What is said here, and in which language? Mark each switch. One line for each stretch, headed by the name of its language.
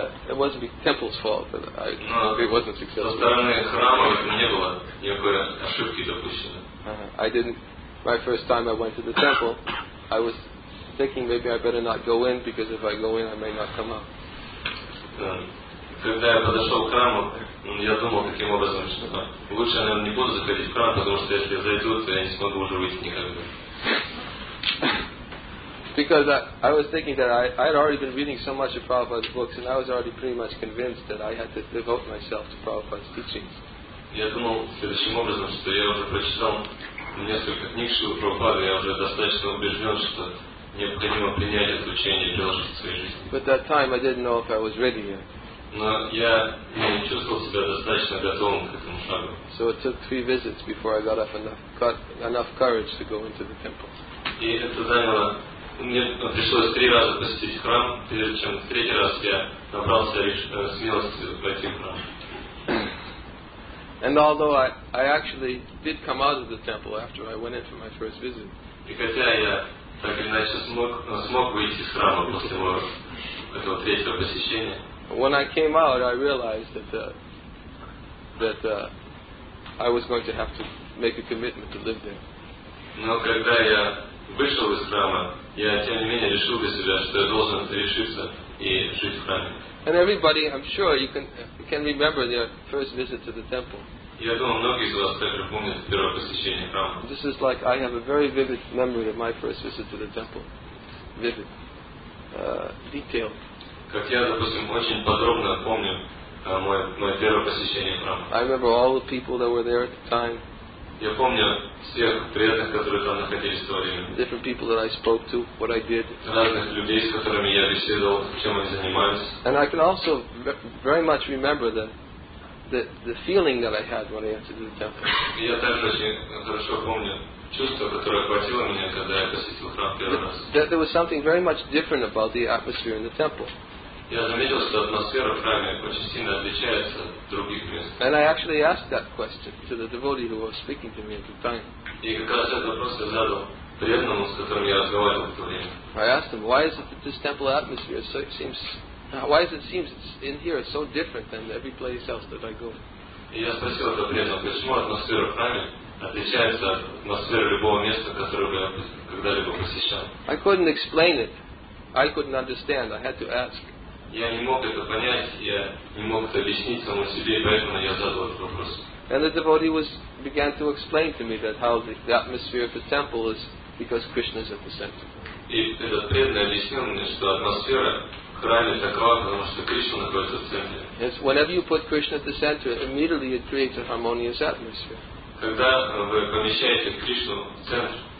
English: it wasn't the temple's fault that it wasn't successful.
Russian: Со стороны храма не было никакой ошибки допущено.
English: I didn't. My first time I went to the temple, I was thinking maybe I better not go in because if I go in, I may not come out.
Russian: Когда я подошел к храму, я думал таким образом, что лучше, наверное, не буду заходить в храм, потому что если я зайду, то я не смогу уже выйти никогда.
English: Because I was thinking that I had already been reading so much of Prabhupada's books, and I was already pretty much convinced that I had to devote myself to Prabhupada's teachings.
Russian: Я думал следующим образом, что я уже прочитал несколько книг Шрилы Прабхупады, я уже достаточно убежден, что необходимо принять это учение и приложить в своей жизни.
English: But that time I didn't know if I was ready yet.
Russian: Но я не чувствовал себя достаточно готовым к этому шагу.
English: So it took 3 visits before I got enough courage to go into the temple.
Russian: И это заняло. Мне пришлось 3 раза посетить храм, прежде чем в 3-й раз я набрался смелости войти в храм.
English: And although I actually did come out of the temple after I went in for my first visit.
Russian: И хотя я так или иначе смог выйти из храма после этого 3-го посещения.
English: When I came out, I realized that I was going to have to make a commitment to live there.
Russian: Но когда я вышел из храма, я тем не менее решил для себя, что я должен решиться и жить в храме.
English: And everybody, I'm sure you can remember their first visit to the temple.
Russian: Я думаю, многие из вас также помнят первое посещение храма.
English: This is like I have a very vivid memory of my first visit to the temple. Vivid, detailed.
Russian: Как я, допустим, очень подробно помню мое первое посещение храма.
English: I remember all the people that were there at the time.
Russian: Я помню всех преданных, которые там находились в то время.
English: Different people that I spoke to, what I did.
Russian: Разных людей, с которыми я беседовал, чем они занимаются.
English: And I can also very much remember the feeling that I had when I entered the temple.
Russian: Я также очень хорошо помню чувство, которое охватило меня, когда я посетил храм первый раз.
English: That there was something very much different about the atmosphere in the temple.
Russian: Я заметил, что атмосфера в храме очень сильно отличается от других мест.
English: And I actually asked that question to the devotee who was speaking to me at the time.
Russian: И как раз этот вопрос я задал преданному, с которым я разговаривал в то время.
English: I asked him, why is it that this temple atmosphere so it seems, why is it seems it's in here so different than every place else that I go?
Russian: И я спросил этого преданного, почему атмосфера в храме отличается от атмосферы любого места, которое я когда-либо посещал.
English: I couldn't explain it. I couldn't understand. I had to ask.
Russian: Я не мог это понять, я не мог это объяснить самому себе, поэтому я задал этот вопрос.
English: And the devotee began to explain to me that how the atmosphere of the temple is because Krishna is at the center.
Russian: И этот преданный объяснил мне, что атмосфера в храме такова, потому что Кришна находится в центре.
English: Yes, whenever you put Krishna at the center, immediately it creates a harmonious atmosphere.
Russian: Когда вы помещаете Кришну в центр,